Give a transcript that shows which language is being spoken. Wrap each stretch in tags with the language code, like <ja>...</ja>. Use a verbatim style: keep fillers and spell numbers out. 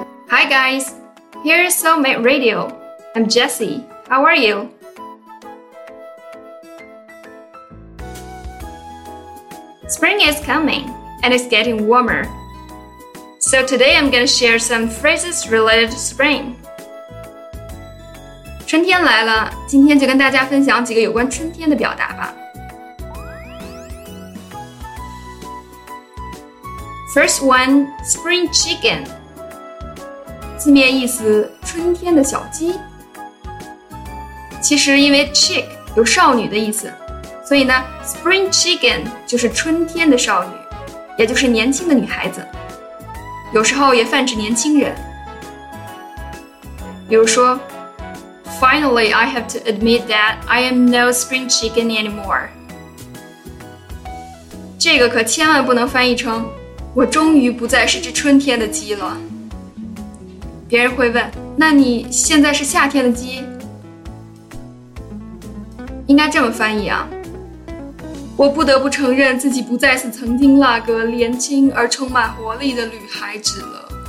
<en>Hi guys, here is Soulmate Radio. I'm Jessie. How are you? Spring is coming and it's getting warmer. So today I'm going to share some phrases related to spring.</en> <zh>春天来了，今天就跟大家分享几个有关春天的表达吧。</zh> <en>First one, spring chicken.</en> <zh>字面意思春天的小鸡。其实因为 chick 有少女的意思，所以呢 spring chicken 就是春天的少女，也就是年轻的女孩子，有时候也泛指年轻人。比如说</zh> <en>Finally, I have to admit that I am no spring chicken anymore.</en> <zh>这个可千万不能翻译成我终于不再是只春天的鸡了。别人会问，那你现在是夏天的鸡？应该这么翻译啊。我不得不承认自己不再是曾经那个年轻而充满活力的女孩子了。</zh>